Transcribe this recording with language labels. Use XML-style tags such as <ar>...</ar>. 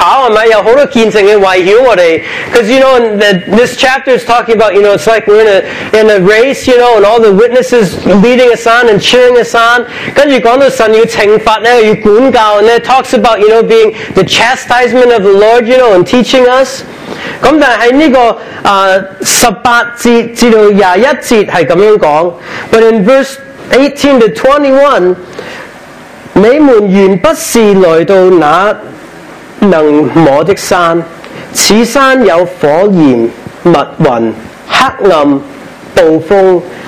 <zh>因为我们希伯来书都在看，他们在说，即是我们好像个长跑，有很多见证的围绕我们。</zh> <en>Because you know, this chapter is talking about, you know, it's like we're in a race, you know, and all the witnesses leading us on and cheering us on.</en> <zh>跟着说到神要惩罚呢，</zh> <en>and it talks about, you know, being the chastisement of the Lord, you know, and teaching us.</en> <zh>但是在这个18节至21节是这样说，</zh> <en>but in verse 18 to 21,</en> <zh>你们原不是来到那能摸的山，此山有火焰、密云、黑暗、暴风，</zh>